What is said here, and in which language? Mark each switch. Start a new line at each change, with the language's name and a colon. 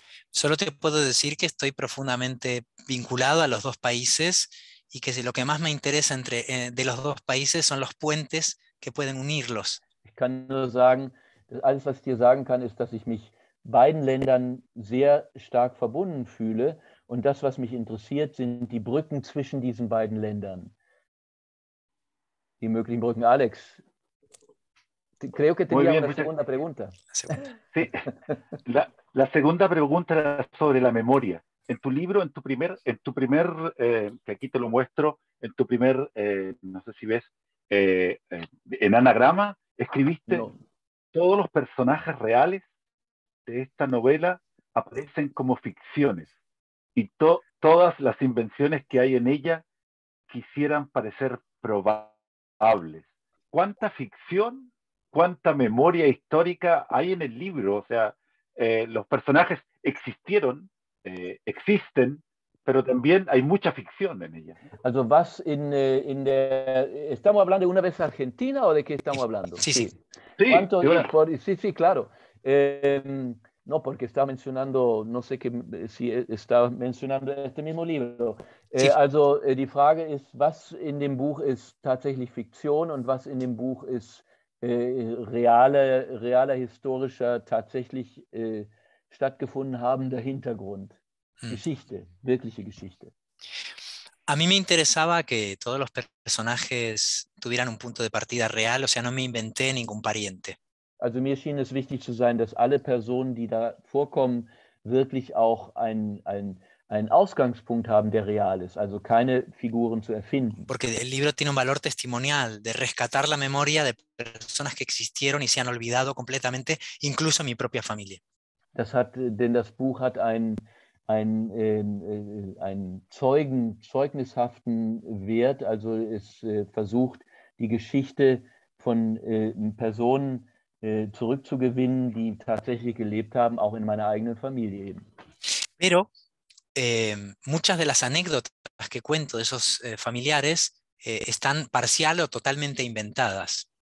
Spanish: Solo te puedo decir que estoy profundamente vinculado a los dos países y que lo que más me interesa entre de los dos países son los puentes que pueden unirlos.
German: Ich kann nur sagen, alles was ich dir sagen kann ist, dass ich mich beiden Ländern sehr stark verbunden fühle und das was mich interessiert sind die Brücken zwischen diesen beiden Ländern. Die möglichen Brücken, Alex.
Spanish: Creo que tenía una segunda pregunta. La segunda pregunta era sobre la memoria. En tu libro, en tu primer que aquí te lo muestro, en tu primer, no sé si ves, en anagrama, escribiste todos los personajes reales de esta novela aparecen como ficciones y todas las invenciones que hay en ella quisieran parecer probables. ¿Cuánta ficción cuánta memoria histórica hay en el libro. O sea, los personajes existieron, existen, pero también hay mucha ficción en ella.
German: Also was in the,
Spanish: ¿estamos hablando de una vez Argentina o de qué estamos hablando? Sí. ¿Cuánto sí, por, sí, sí, claro. No, porque estaba mencionando, no sé qué, si estaba mencionando este mismo libro.
German: Die Frage ist, was in dem Buch ist tatsächlich Fiktion und was in dem Buch ist realer historischer, tatsächlich stattgefunden habender Hintergrund, Geschichte, wirkliche Geschichte.
Spanish: A mí me interesaba que todos los personajes tuvieran un punto de partida real, o sea, no me inventé ningún pariente.
German: Also mir schien es wichtig zu sein, dass alle Personen, die da vorkommen, wirklich auch einen Ausgangspunkt haben, der real ist. Also keine Figuren zu erfinden.
Spanish: Porque el libro tiene un valor testimonial de rescatar la memoria de personas que existieron y se han olvidado completamente, incluso mi propia familia.
German: Das hat, denn das Buch hat einen zeugnishaften Wert. Also es versucht, die Geschichte von Personen zurückzugewinnen, die tatsächlich gelebt haben, auch in meiner eigenen Familie eben.
Spanish: Pero muchas de las anécdotas que cuento de esos familiares están parcial o totalmente inventadas.